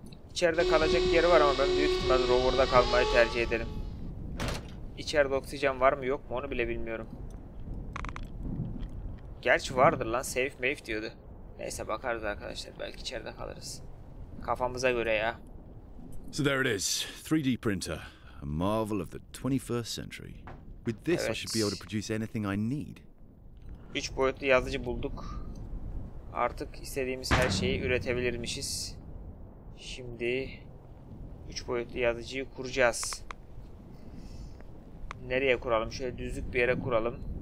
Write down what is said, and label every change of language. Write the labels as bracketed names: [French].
[Turkish] İçeride kalacak yeri var ama ben büyük ihtimal rover'da kalmayı tercih ederim. İçeride oksijen var mı yok mu onu bile bilmiyorum. Gerçi vardır lan, safe mafe diyordu. Neyse bakarız arkadaşlar, belki içeride kalırız. Kafamıza göre ya. [English] So there it is. 3D printer, a marvel of the 21st century. With this [Turkish] evet. [English] I should be able to produce anything I need. [Turkish] 3 boyutlu yazıcı bulduk. Artık istediğimiz her şeyi üretebilirmişiz. Şimdi 3 boyutlu yazıcıyı kuracağız. Nereye kuralım? Şöyle düzlük bir yere kuralım.